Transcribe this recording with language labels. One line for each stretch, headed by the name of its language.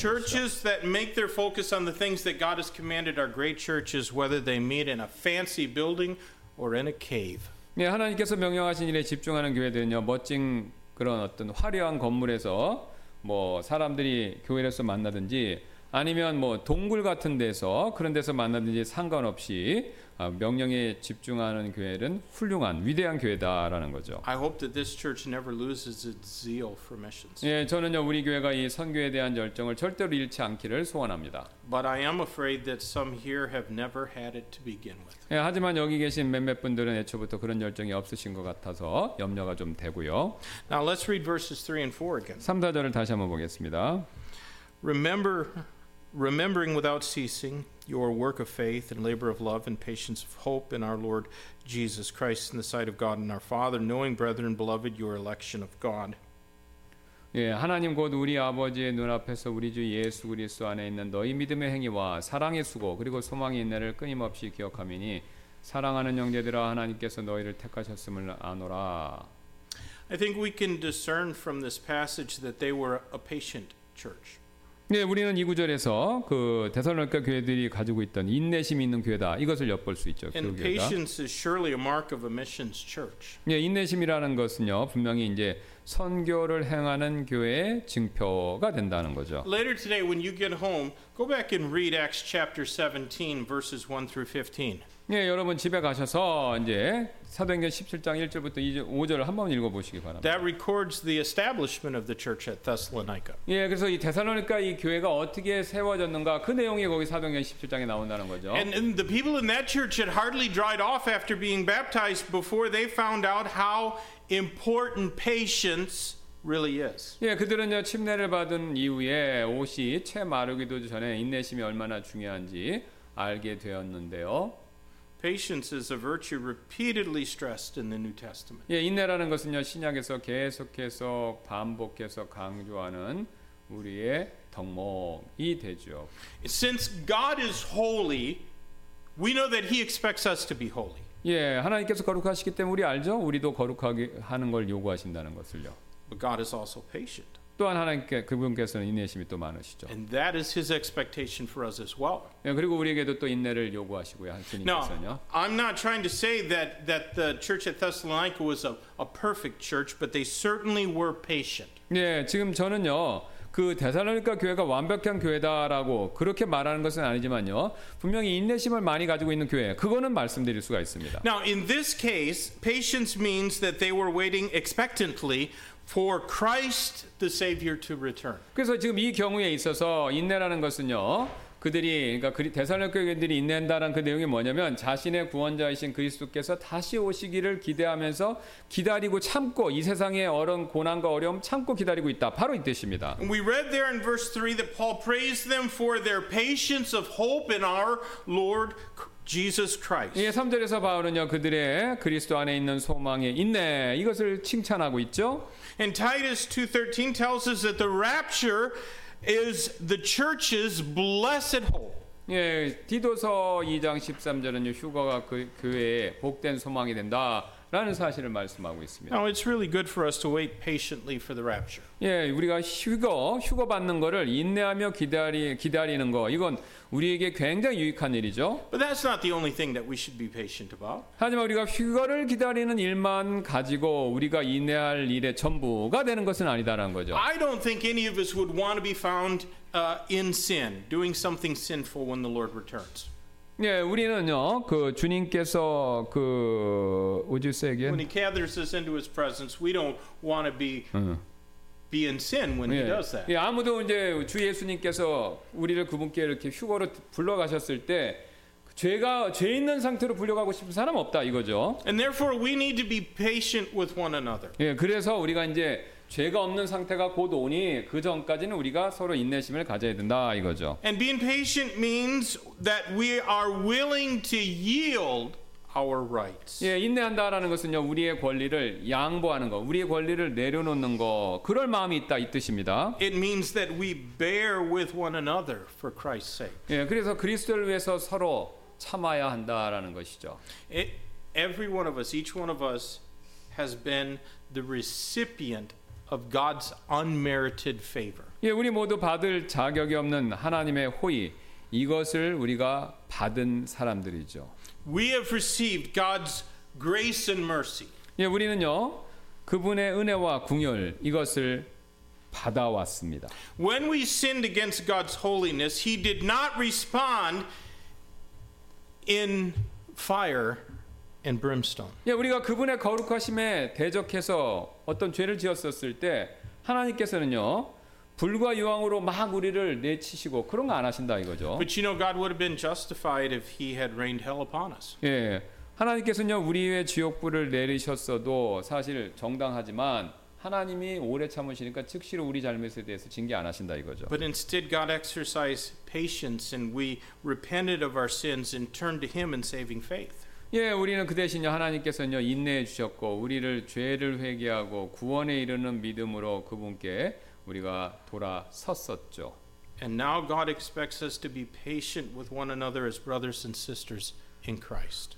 English: Churches that make their focus on the things that God has commanded are great churches, whether they meet in a fancy building or in a cave.
Korean: 예, 하나님께서 명령하신 일에 집중하는 교회들은요, 멋진 그런 어떤 화려한 건물에서 뭐 사람들이 교회에서 만나든지. 아니면 뭐 동굴 같은 데서 그런 데서 만나든지 상관없이 명령에 집중하는 교회는 훌륭한 위대한 교회다라는 거죠.
English: I hope that this church never loses its zeal for missions.
Korean: 예, 저는요 우리 교회가 이 선교에 대한 열정을 절대로 잃지 않기를 소원합니다.
English: But I am afraid that some here have never had it to begin with.
Korean: 예, 하지만 여기 계신 몇몇 분들은 애초부터 그런 열정이 없으신 것 같아서 염려가 좀 되고요.
English: Now let's read verses 3 and 4 again.
Korean: 3, 4절을 다시 한번 보겠습니다.
English: Remembering without ceasing your work of faith and labor of love and patience of hope in our Lord Jesus Christ in the sight of God and our Father, knowing, brethren, beloved, your election of God.
Korean: 예, 하나님 곧 우리 아버지의 눈앞에서 우리 주 예수 그리스도 안에 있는 너희 믿음의 행위와 사랑의 수고 그리고 소망의 인내를 끊임없이 기억함이니 사랑하는 형제들아 하나님께서 너희를 택하셨음을 아노라.
English: I think we can discern from this passage that they were a patient church.
Korean: 네, 우리는 이 구절에서 그 데살로니가 교회들이 가지고 있던 인내심 있는 교회다 이것을 엿볼 수 있죠.
English: 그 patience is surely a mark of a missions church.
Korean: 네, 인내심이라는 것은요 분명히 이제 선교를 행하는 교회의 증표가 된다는 거죠.
English: Later today, when you get home, go back and read Acts chapter 17, verses 1 through 15.
Korean: 예, 여러분 집에 가셔서 이제 사도행전 17장 1절부터 5절을 한번 읽어 보시기 바랍니다.
English: That records the establishment of the church at Thessalonica.
Korean: 예, 그래서 이 데살로니가 이 교회가 어떻게 세워졌는가 그 내용이 거기 사도행전 17장에 나온다는 거죠.
English: And the people in that church had hardly dried off after being baptized before they found out how important patience really is.
Korean: 예, 그들은요 침례를 받은 이후에 옷이 채 마르기도 전에 인내심이 얼마나 중요한지 알게 되었는데요.
English: Patience is a virtue repeatedly stressed in the New Testament.
Korean: 예, 인내라는 것은요 신약에서 계속해서 반복해서 강조하는 우리의 덕목이 되죠.
English: Since God is holy, we know that He expects us to be holy.
Korean: 예, 하나님께서 거룩하시기 때문에 우리 알죠? 우리도 거룩하게 하는 걸 요구하신다는 것을요.
English: But God is also patient.
Korean: 또한 하나님께 그분께서는 인내심이 또 많으시죠.
English: And that is His expectation for us as well.
Korean: 예, 그리고 우리에게도 또 인내를 요구하시고요, 주님께서는요.
English: Now, I'm not trying to say that the church at Thessalonica was a perfect church, but they certainly were patient.
Korean: 네, 예, 지금 저는요, 그 데살로니가 교회가 완벽한 교회다라고 그렇게 말하는 것은 아니지만요, 분명히 인내심을 많이 가지고 있는 교회, 그거는 말씀드릴 수가 있습니다.
English: Now, in this case, patience means that they were waiting expectantly for Christ the Savior to return.
Korean: 그래서 지금 이 경우에 있어서 인내라는 것은요, 그들이 그러니까 대살로니가인들이 인내한다는 그 내용이 뭐냐면 자신의 구원자이신 그리스도께서 다시 오시기를 기대하면서 기다리고 참고 이 세상의 어려운 고난과 어려움 참고 기다리고 있다. 바로 이 뜻입니다.
English: We read there in verse 3 that Paul praised them for their patience of hope in our Lord Jesus Christ.
Korean: 예, 3절에서 바울은요 그들의 그리스도 안에 있는 소망의 인내 이것을 칭찬하고 있죠.
English: And Titus 2:13 tells us that the rapture is the church's blessed hope.
Korean: 예, 디도서 2장 13절은요 휴거가 그 교회의 복된 소망이 된다. 라는 사실을 말씀하고 있습니다.
English: Now it's really good for us to wait patiently for the rapture.
Korean: 예, 우리가 휴거 받는 것을 인내하며 기다리는 거 이건 우리에게 굉장히 유익한 일이죠.
English: But that's not the only thing that we should be patient about.
Korean: 하지만 우리가 휴거를 기다리는 일만 가지고 우리가 인내할 일의 전부가 되는 것은 아니다라는 거죠.
English: I don't think any of us would want to be found in sin, doing something sinful when the Lord returns.
Korean: 예, 우리는요, 그 주님께서 그 우주 세계에
English: When he gathers us into his presence, we don't want to be in sin when
Korean: 예,
English: he does that.
Korean: 예, 아무도 이제 주 예수님께서 우리를 그분께 이렇게 휴거로 불러가셨을 때 죄 있는 상태로 불려가고 싶은 사람 없다 이거죠.
English: And therefore, we need to be patient with one another.
Korean: 예, 그래서 우리가 이제 죄가 없는 상태가 곧 오니 그 전까지는 우리가 서로 인내심을 가져야 된다 이거죠.
English: And being patient means that we are willing to yield our rights.
Korean: 예, 인내한다라는 것은요 우리의 권리를 양보하는 거, 우리의 권리를 내려놓는 거, 그럴 마음이 있다 이 뜻입니다.
English: It means that we bear with one another for Christ's sake.
Korean: 예, 그래서 그리스도를 위해서 서로 참아야 한다라는 것이죠.
English: Every one of us, each one of us, has been the recipient of God's unmerited favor.
Korean: 예, 우리 모두 받을 자격이 없는 하나님의 호의 이것을 우리가 받은 사람들이죠.
English: We have received God's grace and mercy.
Korean: 예, 우리는요 그분의 은혜와 긍휼 이것을 받아왔습니다.
English: When we sinned against God's holiness, He did not respond in fire. And brimstone.
Korean: 예, 우리가 그분의 거룩하심에 대적해서 어떤 죄를 지었었을 때 하나님께서는요 불과 유황으로 막 우리를 내치시고 그런 거 안 하신다 이거죠.
English: But you know, God would have been justified if He had rained hell upon us.
Korean: 예, 하나님께서는요 우리의 지옥 불을 내리셨어도 사실 정당하지만 하나님이 오래 참으시니까 즉시로 우리 잘못에 대해서 징계 안 하신다 이거죠.
English: But instead, God exercised patience, and we repented of our sins and turned to Him in saving faith.
Korean: 예, 우리는 그 대신요 하나님께서는요 인내해 주셨고 우리를 죄를 회개하고 구원에 이르는 믿음으로 그분께 우리가 돌아섰었죠.
English: And now God expects us to be patient with one another as brothers and sisters in Christ.